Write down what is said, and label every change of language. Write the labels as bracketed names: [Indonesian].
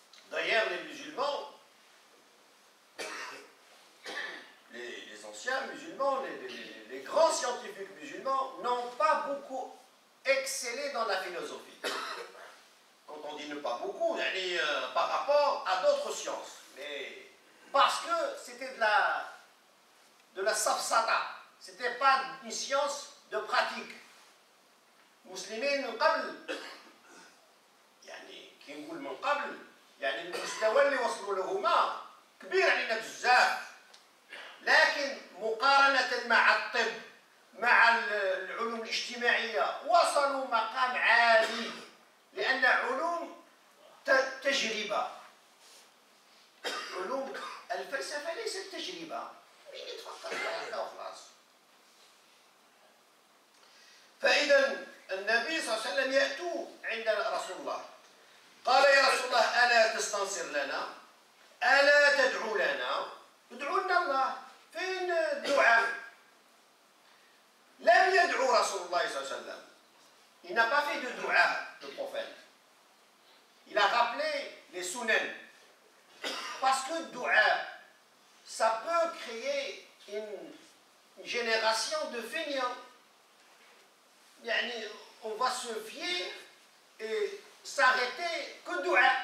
[French] D'ailleurs, les musulmans, les anciens musulmans, les grands scientifiques musulmans n'ont pas beaucoup excellé dans la philosophie. Quand on dit ne pas beaucoup, par rapport à d'autres sciences. Mais parce que c'était de la safsata. C'était pas une science de pratique. [Arabic] مسلمين من قبل، يعني كي نقول من قبل يعني المستوى اللي وصلوا لهما كبير علينا بزاف، لكن مقارنة مع الطب مع العلوم الاجتماعية وصلوا مقام عالي، لأن علوم تجربة، علوم الفلسفة ليست تجربة، مين يتفكر فيها هكا وخلاص. فإذا النبي صلى الله عليه وسلم يأتوا عند رسول الله، قال يا رسول الله ألا تستنصر لنا؟ ألا تدعو لنا؟ ادعوا لنا الله، فين الدعاء؟ لم يدعو رسول الله صلى الله عليه وسلم، [French] il n'a pas fait de dua le prophète. Il a rappelé les sunan. Parce que dua, ça peut créer une génération de fainéants. Yani, on va se fier et s'arrêter que dua.